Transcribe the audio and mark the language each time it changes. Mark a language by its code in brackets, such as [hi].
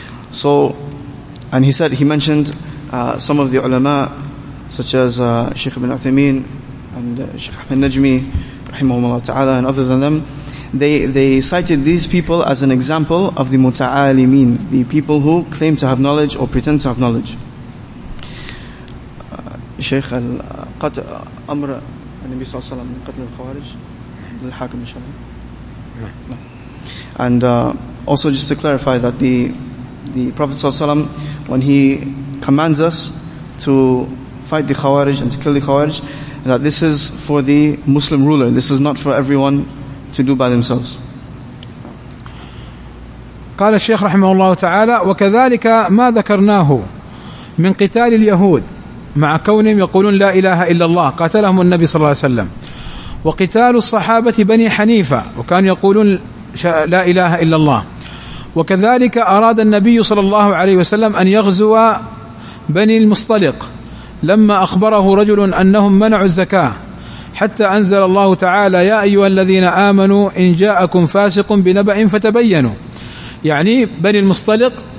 [en] So, and he said, he mentioned some of the ulama, such as Shaykh ibn Uthaymeen and Shaykh Ahmed Najmi, rahimahumullah ta'ala, and other than them, they cited these people as an example of the muta'alimin, the people who claim to have knowledge or pretend to have knowledge. [ar] Shaykh al قطع أمر النبي صلى الله عليه وسلم من قتل الخوارج للحاكم إن شاء الله. [en] And also just to clarify that the Prophet [ar] صلى الله عليه وسلم, [en] when he commands us to fight the Khawarij and to kill the Khawarij, that this is for the Muslim ruler. This is not for everyone to do by themselves. [ar] قال الشيخ رحمه الله تعالى وكذلك ما ذكرناه من قتال اليهود مع كونهم يقولون لا إله إلا الله قاتلهم النبي صلى الله عليه وسلم, وقتال الصحابة بني حنيفة وكانوا يقولون لا إله إلا الله, وكذلك أراد النبي صلى الله عليه وسلم أن يغزو بني المصطلق لما أخبره رجل أنهم منعوا الزكاة حتى أنزل الله تعالى يا أيها الذين آمنوا إن جاءكم فاسق بنبأ فتبينوا, يعني بني المصطلق